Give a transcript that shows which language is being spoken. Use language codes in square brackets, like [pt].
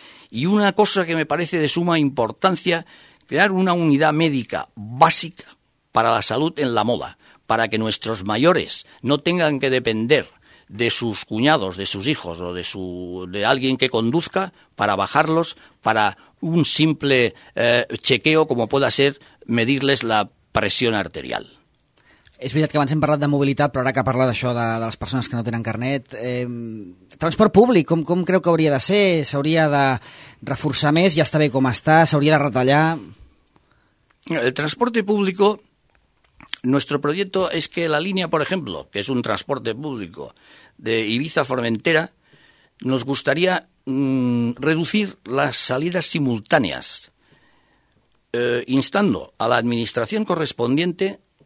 [es] Y una cosa que me parece de suma importancia, crear una unidad médica básica para la salud en La Moda, para que nuestros mayores no tengan que depender de sus cuñados, de sus hijos o de alguien que conduzca para bajarlos para un simple chequeo como pueda ser medirles la presión arterial. [ca] És veritat que abans hem parlat de mobilitat, però ara que parla d'això de les persones que no tenen carnet, transport públic, com creu que hauria de ser? S'hauria de reforçar més? Ja està bé com està? S'hauria de retallar? [es] El transporte público, nuestro proyecto es que la línea, por ejemplo, que es un transporte público de Ibiza-Formentera, nos gustaría reducir las salidas simultáneas, instando a la administración correspondiente